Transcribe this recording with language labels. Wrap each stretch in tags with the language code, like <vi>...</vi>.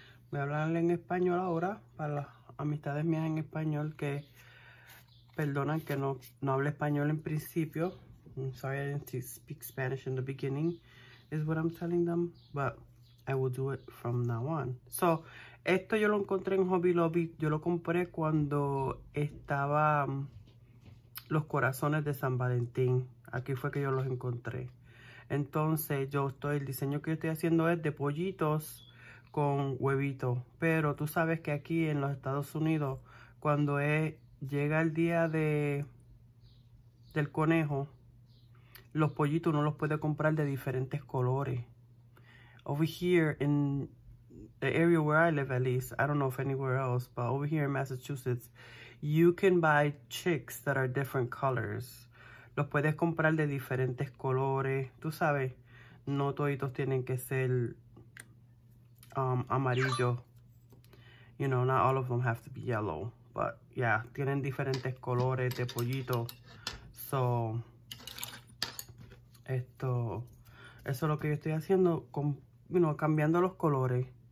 <es>Voy a hablar en español ahora para las amistades mías en español que perdonan que no hable español en principio.</es> <en>I'm sorry I didn't speak Spanish in the beginning, is what I'm telling them, but I will do it from now on.</en> <es>So, esto yo lo encontré en Hobby Lobby. Yo lo compré cuando estaba los corazones de San Valentín. Aquí fue que yo los encontré. Entonces, el diseño que yo estoy haciendo es de pollitos con huevito. Pero tú sabes que aquí en los Estados Unidos, cuando llega el día del conejo, los pollitos uno los puede comprar de diferentes colores.</es> <en>Over here in the area where I live, at least, I don't know if anywhere else, but over here in Massachusetts, you can buy chicks that are different colors.</en> <es>Los puedes comprar de diferentes colores. Tú sabes, no toditos tienen que ser amarillo.</es> <en>You know, not all of them have to be yellow. But yeah,</en> <es>tienen diferentes colores de pollito. So, eso es lo que yo estoy haciendo, cambiando los colores.</es>